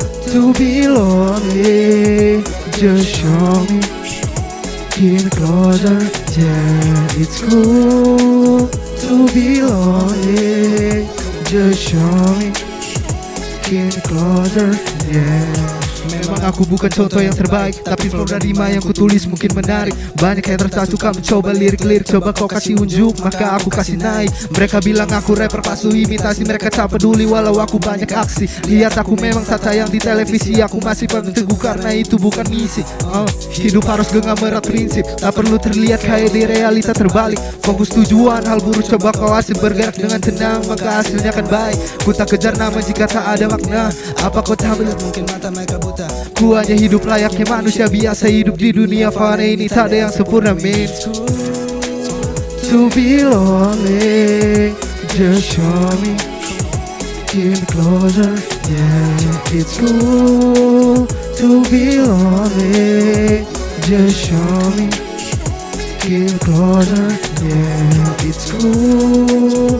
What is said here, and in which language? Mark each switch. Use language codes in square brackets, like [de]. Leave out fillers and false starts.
[en] To be lonely, just show me. Keep closer, yeah, it's cool. To be lonely, just show me. Keep closer, yeah. [id] Memang aku bukan contoh yang terbaik, tapi flow dan rima yang kutulis mungkin menarik. Banyak yang tak suka mencoba lirik-lirik. Coba kau kasih unjuk, maka aku kasih naik. Mereka bilang aku rapper palsu imitasi. Mereka tak peduli walau aku banyak aksi. Lihat aku memang tak tayang di televisi. Aku masih peneteguh karena itu bukan misi. Hidup harus genggam erat prinsip. Tak perlu terlihat kayak di realita terbalik. Fokus tujuan, hal buruk coba kau asyik bergerak dengan tenang. Maka hasilnya akan baik. Ku tak kejar nama jika tak ada makna. Apa kau tak melihat mungkin mata mereka buta. Ku hanya hidup layaknya manusia biasa. Hidup di dunia fana ini tak ada yang sempurna, man. [en] To be lonely, just show me. Keep closer, yeah, it's cool. To be lonely, just show me. Keep closer, yeah, it's cool.